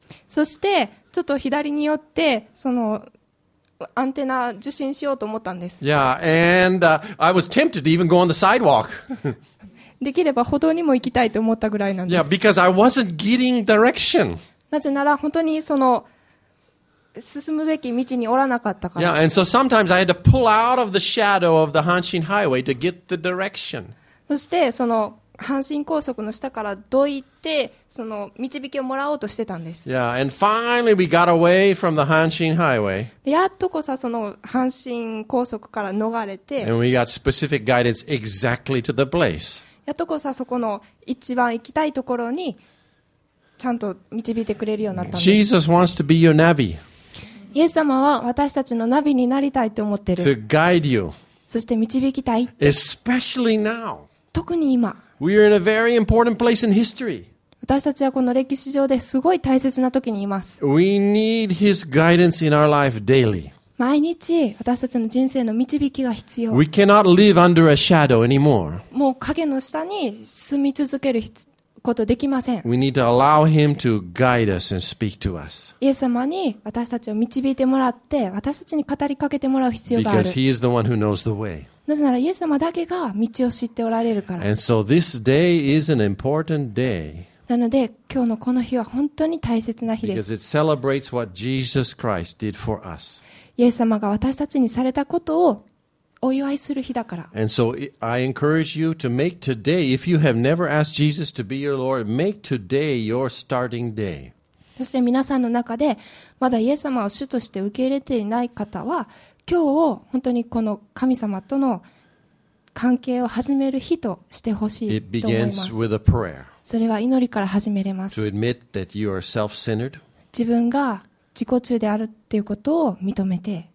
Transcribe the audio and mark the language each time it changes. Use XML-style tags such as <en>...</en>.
<ja>そしてちょっと左に寄ってそのアンテナ受信しようと思ったんです。</ja> <en>Yeah, and I was tempted to even go on the sidewalk.</en> <ja>できれば歩道にも行きたいと思ったぐらいなんです。</ja> <en>Yeah, because I wasn't getting direction.</en> <ja>なぜなら本当にその進むべき道におらなかったから。</ja> <en>Yeah, and so sometimes I had to pull out of the shadow of the Hanshin Highway to get the direction.</en> <ja>そしてその阪神高速の下からどいてその導きをもらおうとしてたんです。</ja> <en>Yeah, and finally we got away from the Hanshin Highway.</en> <ja>やっとこさその阪神高速から逃れて。</ja> <en>And we got specific guidance exactly to the place.</en> <ja>やっとこさそこの一番行きたいところにちゃんと導いてくれるようになったんです。</ja> <en>Jesus wants to be your navi.</en> <ja>イエス様は私たちのナビになりたいと思ってる。</ja> <en>To guide you.</en> <ja>そして導きたい。</ja> <en>Especially now.</en> <ja>特に今。</ja> <en>We are in a very important place in history.</en> <ja>私たちはこの歴史上ですごい大切な時にいます。</ja> <en>We need his guidance in our life daily.</en> <ja>毎日私たちの人生の導きが必要。</ja> <en>We cannot live under a shadow anymore.</en> <ja>もう影の下に住み続けることできません。</ja> <en>We need to allow him to guide us and speak to us.</en> <ja>イエス様に私たちを導いてもらって私たちに語りかけてもらう必要がある。</ja> <en>Because he is the one who knows the way.</en> <ja>なぜならイエス様だけが道を知っておられるから。</ja> <en>And so this day is an important day.</en> <ja>なので今日のこの日は本当に大切な日です。</ja> <en>Because it celebrates what Jesus Christ did for us.</en> <ja>イエス様が私たちにされたことをお祝いする日だから。</ja> <en>And so I encourage you to make today, if you have never asked Jesus to be your Lord, make today your starting day.</en> <ja>そして皆さんの中でまだイエス様を主として受け入れていない方は、今日を本当にこの神様との関係を始める日としてほしいと思います。それは祈りから始めれます。自分が自己中であるっていうことを認めて、</ja>